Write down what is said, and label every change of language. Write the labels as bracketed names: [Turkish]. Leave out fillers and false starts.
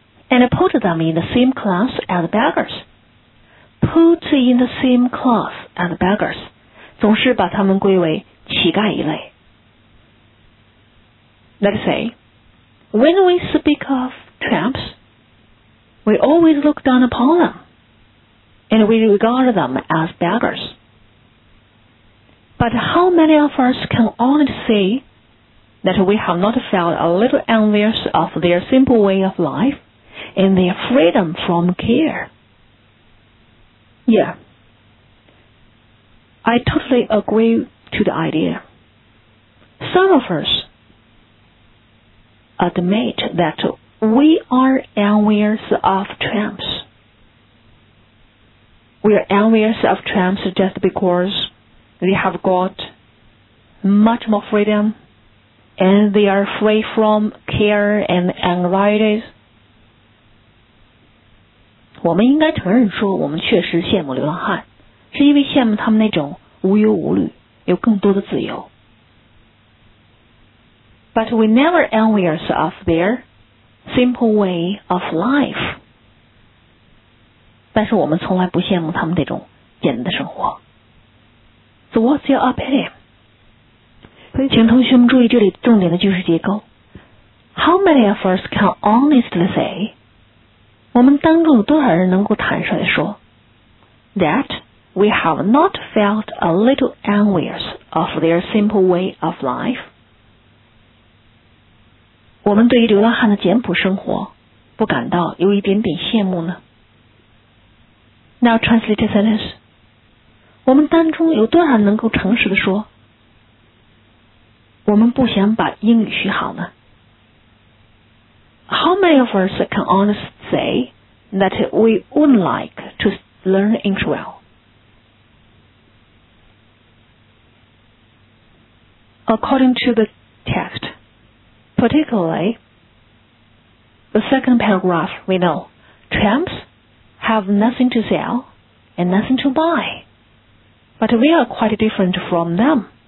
[English] And put them in the same class as beggars. Put in the same class as beggars. [Chinese] 总是把他们归为乞丐一类。 [English] Let's say,When we speak of tramps, we always look down upon them, and we regard them as beggars. But how many of us can honestly say that we have not felt a little envious of their simple way of life and their freedom from care? Yeah, I totally agree to the idea. Some of usadmit that we are envious of tramps. We are envious of tramps just because they have got much more freedom and they are free from care and anxieties. [Chinese] 我们应该承认说我们确实羡慕流浪汉，是因为羡慕他们那种无忧无虑，有更多的自由。 [English] But we never envious of their simple way of life. [Chinese] 但是我们从来不羡慕他们那种简单的生活。 [English] So what's your opinion? [Chinese] 请同学们注意这里重点的句式结构。 [English] How many of us can honestly say? [Chinese] 我们当中有多少人能够坦率地说 [English] that we have not felt a little envious of their simple way of life? [Chinese] 我们对于流浪汉的简朴生活不感到有一点点羡慕呢？ [English] Now translate the sentence. [Chinese] 我们当中有多少人能够诚实地说我们不想把英语学好呢？ [English] How many of us can honestly say that we wouldn't like to learn English well? According to the text, particularly the second paragraph, we know tramps have nothing to sell and nothing to buy, but we are quite different from them.